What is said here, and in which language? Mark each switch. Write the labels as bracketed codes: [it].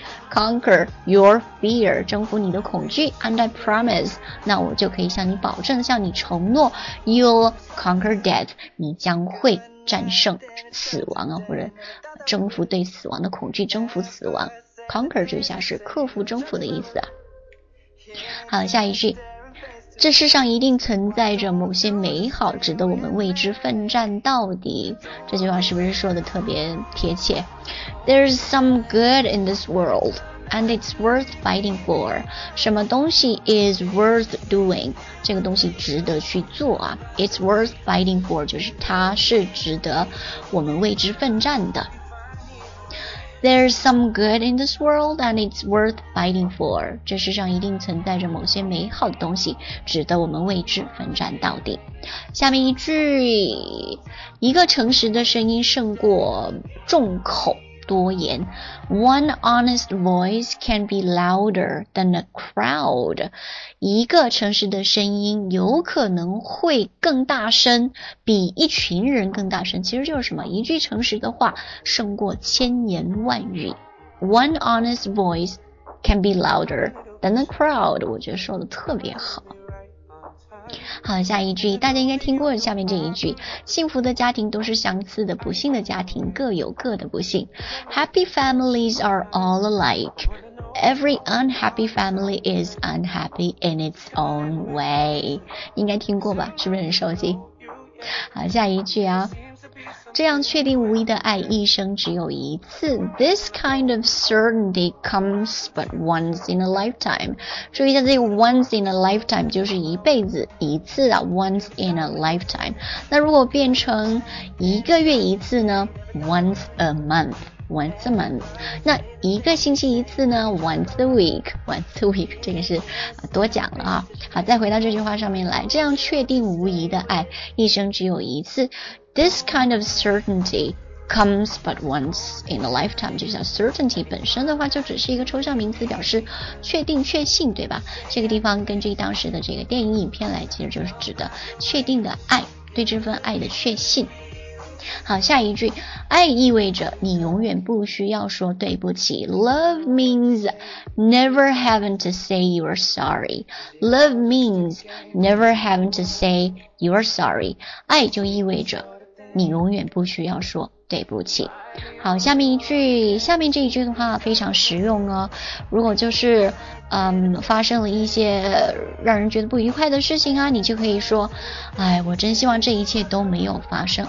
[en] Conquer your fear, [zh] 征服你的恐惧 [en] and I promise, [zh] 那我就可以向你保证，向你承诺 [en] you'll conquer death, [zh] 你将会战胜死亡啊，或者征服对死亡的恐惧，征服死亡。 Conquer 这下是克服征服的意思啊。好，下一句，这世上一定存在着某些美好，值得我们为之奋战到底。这句话是不是说的特别贴切？ [en] There's some good in this world, and it's worth fighting for. [zh] 什么东西 [en] is worth doing? [zh] 这个东西值得去做啊。 [en] It's worth fighting for, [zh] 就是它是值得我们为之奋战的。 [en] There's some good in this world, and it's worth fighting for. [zh] 这世上一定存在着某些美好的东西，值得我们为之奋战到底。下面一句，一个诚实的声音胜过众口多言。 [en] One honest voice can be louder than a crowd. [zh] 一个诚实的声音有可能会更大声，比一群人更大声。其实就是什么？一句诚实的话胜过千言万语。 [en] One honest voice can be louder than a crowd. [zh] 我觉得说的特别好。好，下一句，大家应该听过下面这一句，幸福的家庭都是相似的，不幸的家庭各有各的不幸。 [en] Happy families are all alike. Every unhappy family is unhappy in its own way. [zh] 应该听过吧，是不是很熟悉？好，下一句啊，这样确定无疑的爱一生只有一次。 [en] This kind of certainty comes but once in a lifetime. [zh] 注意一下，这个 [en] once in a lifetime [zh] 就是一辈子一次啊， once in a lifetime. 那如果变成一个月一次呢？ [en] Once a month, once a month. [zh] 那一个星期一次呢？ [en] Once a week, once a week. [zh] 这个是多讲了啊。好，再回到这句话上面来，这样确定无疑的爱一生只有一次。 [en] This kind of certainty comes but once in a lifetime. [zh] 就像 certainty 本身的话就只是一个抽象名词，表示确定确信，对吧？这个地方根据当时的这个电影影片来，其实就是指的确定的爱，对这份爱的确信。好，下一句，爱意味着你永远不需要说对不起。 [en] Love means never having to say you are sorry. Love means never having to say you are sorry. [zh] 爱就意味着你永远不需要说对不起。好，下面一句，下面这一句的话非常实用哦。如果就是发生了一些让人觉得不愉快的事情啊，你就可以说，哎，我真希望这一切都没有发生。